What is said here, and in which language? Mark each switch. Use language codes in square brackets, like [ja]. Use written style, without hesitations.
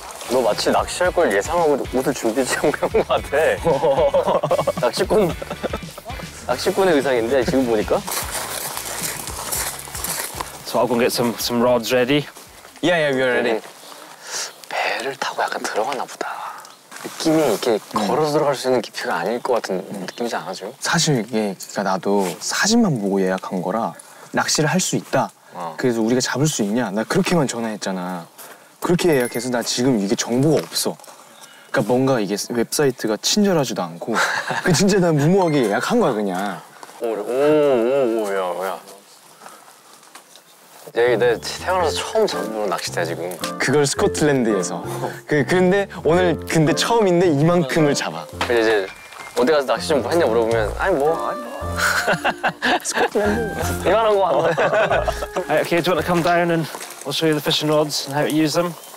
[ko] 너 마치 낚시할 걸 예상하고 옷을 준비 지금 한 것 같아. 낚시꾼의 의상인데 지금 보니까. [en] So I'll go and get some rods ready. Yeah, yeah, we're ready. [ko] 배를 타고 약간 들어가나 보다. 느낌이 이렇게 걸어서 들어갈 수 있는 깊이가 아닐 것 같은 느낌이지 않아죠? 사실 이게 그러니까 나도 사진만 보고 예약한 거라 낚시를 할 수 있다. 그래서 우리가 잡을 수 있냐? 나 그렇게만 전화했잖아. 그렇게 예약해서 나 지금 이게 정보가 없어. 그러니까 뭔가 이게 웹사이트가 친절하지도 않고 진짜 난 무모하게 예약한 거야 그냥. 오야. 여기 내 태어나서 처음 잡는 낚싯대야 지금. 그걸 스코틀랜드에서. 근데 오늘 근데 처음인데 이만큼을 잡아. 근데 이제 어디 가서 낚시 좀 했냐 물어보면 스코틀랜드. 이만한 거 안 돼. [en] Okay, do you want to come down and I'll show you the fishing rods and how to use them?